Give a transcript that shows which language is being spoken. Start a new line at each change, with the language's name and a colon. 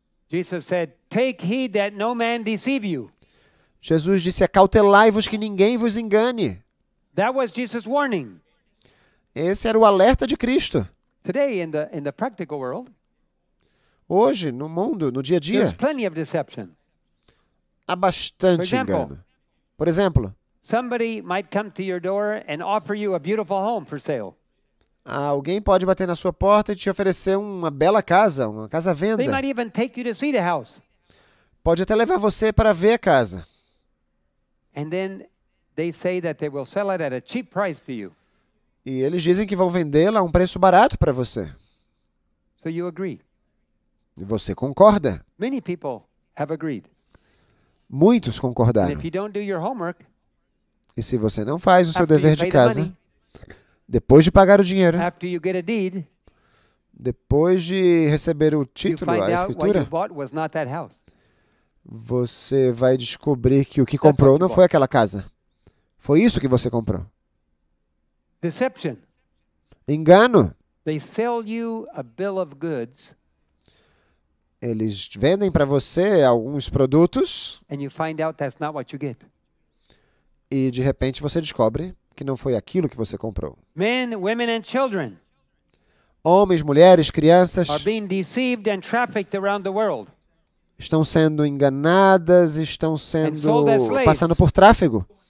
English: Jesus said, "Take heed that no man deceive you."
Portuguese: Jesus disse, "Acautelai-vos que ninguém vos engane."
English: That was Jesus' warning.
Portuguese: Esse era o alerta de Cristo.
English: Today in the practical world,
Portuguese: hoje no mundo, no dia a dia,
English: there's plenty of deception.
Portuguese: Há bastante engano. Por exemplo,
English: somebody might come to your door and offer you a beautiful home for sale.
Portuguese: Alguém pode bater na sua porta e te oferecer uma bela casa, uma casa à venda.
English: They might even take you to see the house.
Portuguese: Pode até levar você para ver a casa.
English: And then they say that they will sell it at a cheap price to you.
Portuguese: E eles dizem que vão vendê-la a um preço barato para você.
English: So you agree.
Portuguese: E você concorda?
English: Many people have agreed.
Portuguese: Muitos concordaram.
English: And if you don't do your homework,
Portuguese: e se você não faz o seu dever de casa, depois de pagar o dinheiro,
English: after you get a deed,
Portuguese: depois de receber o título, a escritura,
English: what you bought was not that house.
Portuguese: Você vai descobrir que o que comprou não foi aquela casa. Foi isso que você comprou.
English: Deception.
Portuguese: Engano.
English: They sell you a bill of goods.
Portuguese: Eles vendem para você alguns produtos.
English: And you find out that's not what you get.
Portuguese: E de repente você descobre que não foi aquilo que você comprou.
English: Men, women and children.
Portuguese: Homens, mulheres, crianças.
English: Are being deceived and trafficked around the world.
Portuguese: Estão sendo enganadas, estão sendo passando por tráfego.